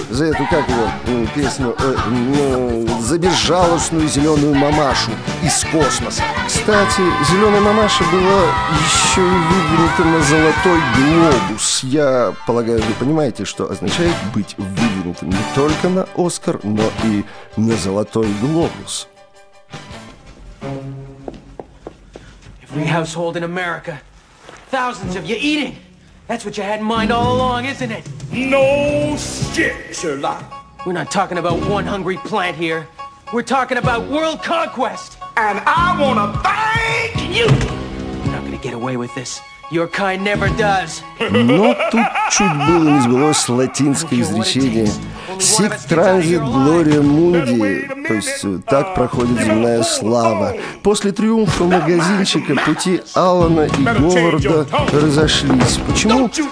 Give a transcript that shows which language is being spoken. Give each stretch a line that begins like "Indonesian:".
Russian: За эту, как его, песню, за безжалостную зеленую мамашу из космоса. Кстати, зеленая мамаша была еще и вывернута на золотой глобус. Я полагаю, вы понимаете, что означает быть вывернутым не только на «Оскар», но и на золотой глобус.
English: Every household in America, thousands of you eating. That's what you had in mind all along, isn't it? No shit, Sherlock. We're not talking about one hungry plant here. We're talking about world conquest. And I wanna thank you. You're not gonna get away with this. Your kind never does.
Russian: Но тут чуть было не сбылось латинское изречение.
Latin: Sic transit gloria mundi,
Russian: то есть так проходит земная слава. После триумфа магазинчика пути Алана и Говарда разошлись. Почему?